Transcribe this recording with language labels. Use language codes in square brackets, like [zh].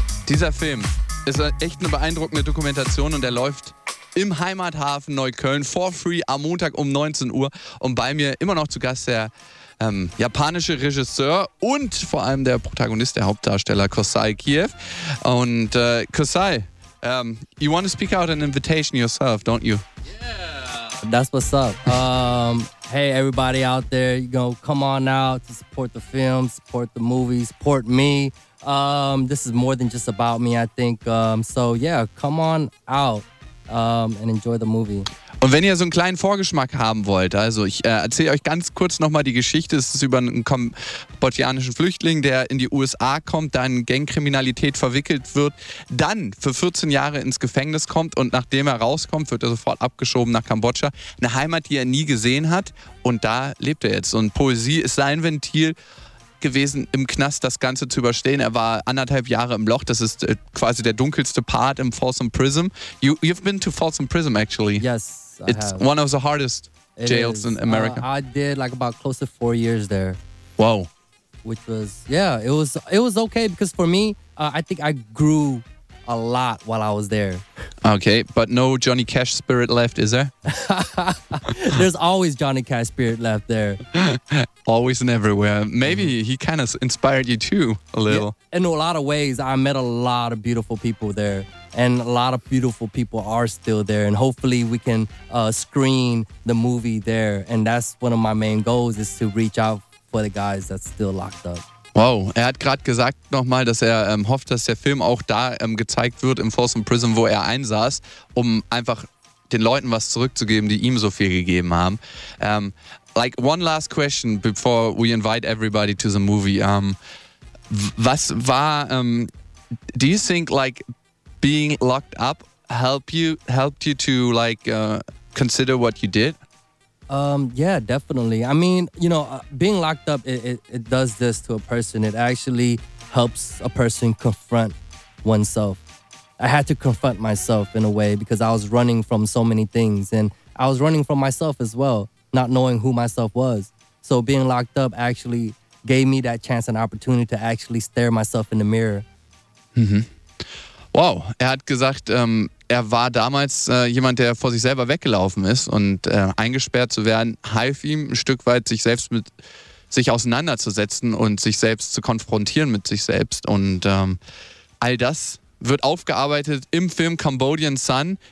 [de] Dieser Film ist echt eine beeindruckende Dokumentation und er läuft im Heimathafen Neukölln for free am Montag um 19 Uhr. Und bei mir immer noch zu Gast der japanische Regisseur und vor allem der Protagonist, der Hauptdarsteller Kosai Kiev. [en] Und Kosai, you want to speak out an invitation yourself, don't you? Yeah, that's what's up. Hey, everybody out there, you know, come on out to support the film, support the movie, support me. This is more than just about me, I think. So yeah, come on out and enjoy the movie. [de] Und wenn ihr so einen kleinen Vorgeschmack haben wollt, also ich erzähle euch ganz kurz nochmal die Geschichte. Es ist über einen kambodschanischen Flüchtling, der in die USA kommt, da in Gangkriminalität verwickelt wird, dann für 14 Jahre ins Gefängnis kommt und nachdem er rauskommt, wird er sofort abgeschoben nach Kambodscha. Eine Heimat, die er nie gesehen hat und da lebt er jetzt. Und Poesie ist sein Ventil gewesen, im Knast das Ganze zu überstehen. Er war anderthalb Jahre im Loch. Das ist quasi der dunkelste Part im Folsom Prison. [en] You've been to Folsom Prison, actually. Yes, it's one of the hardest jails in America. I did like about close to 4 years there. Wow. Which was, yeah, it was okay because for me, I think I grew a lot while I was there. Okay, but no Johnny Cash spirit left, is there? There's always Johnny Cash spirit left there. Always and everywhere. Maybe he kind of inspired you too, a little. Yeah, in a lot of ways, I met a lot of beautiful people there. And a lot of beautiful people are still there. And hopefully we can screen the movie there. And that's one of my main goals, is to reach out for the guys that's still locked up. [de] Wow, er hat gerade gesagt nochmal, dass er hofft, dass der Film auch da gezeigt wird im Folsom Prison, wo er einsaß, um einfach den Leuten was zurückzugeben, die ihm so viel gegeben haben. [en] Like one last question before we invite everybody to the movie. [de] Was war, [en] do you think like being locked up helped you to like consider what you did? Yeah, definitely. I mean, you know, being locked up, it does this to a person. It actually helps a person confront oneself. I had to confront myself in a way because I was running from so many things and I was running from myself as well, not knowing who myself was. So being locked up actually gave me that chance and opportunity to actually stare myself in the mirror. Mm-hmm. [de] Wow, er hat gesagt, er war damals jemand, der vor sich selber weggelaufen ist und eingesperrt zu werden, half ihm ein Stück weit, sich selbst mit sich auseinanderzusetzen und sich selbst zu konfrontieren mit sich selbst. Und all das wird aufgearbeitet im Film Cambodian Sun.